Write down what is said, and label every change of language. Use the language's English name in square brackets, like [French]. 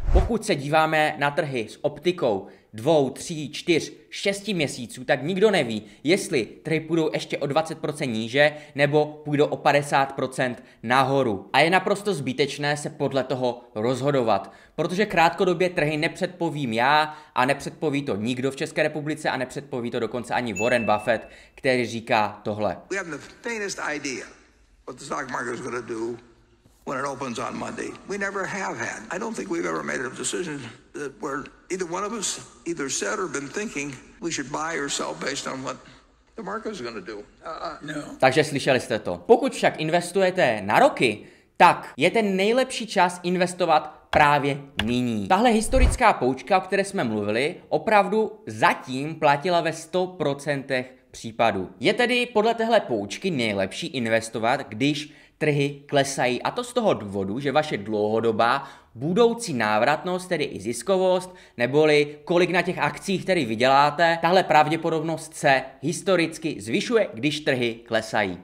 [Czech] Pokud se díváme na trhy s optikou 2, 3, 4, 6 měsíců, tak nikdo neví, jestli trhy půjdou ještě o 20% níže nebo půjdou o 50% nahoru. A je naprosto zbytečné se podle toho rozhodovat, protože krátkodobě trhy nepředpovím já a nepředpoví to nikdo v České republice a nepředpoví to dokonce ani Warren Buffett, který říká tohle. [English] We have the faintest idea what the stock market is going to do when it opens on Monday. We never have had. I don't think we've ever made a decision that we're either one of us either said or been thinking we should buy or sell based on what the market is going to do. [Czech] No. Takže slyšeli jste to. Pokud však investujete na roky, tak je ten nejlepší čas investovat právě nyní. Tahle historická poučka, o které jsme mluvili, opravdu zatím platila ve 100% případů. Je tedy podle téhle poučky nejlepší investovat, když trhy klesají, a to z toho důvodu, že vaše dlouhodobá budoucí návratnost, tedy i ziskovost, neboli kolik na těch akcích, které vyděláte, tahle pravděpodobnost se historicky zvyšuje, když trhy klesají.